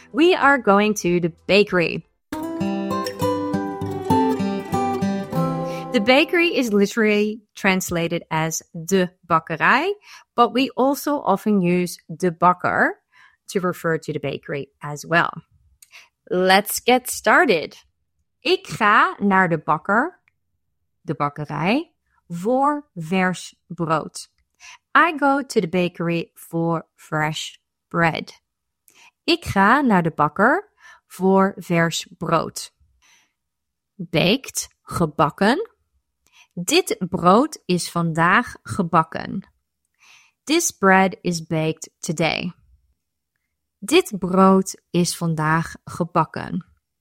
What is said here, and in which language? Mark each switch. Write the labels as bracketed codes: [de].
[en] We are going to the bakery. The bakery is literally translated as de bakkerij, but we also often use de bakker to refer to the bakery as well. Let's get started. [nl] Ik ga naar de bakker, de bakkerij, voor vers brood. [en] I go to the bakery for fresh bread. [nl] Ik ga naar de bakker voor vers brood. Baked, gebakken. Dit brood is vandaag gebakken. [en] This bread is baked today. [nl] Dit brood is vandaag gebakken.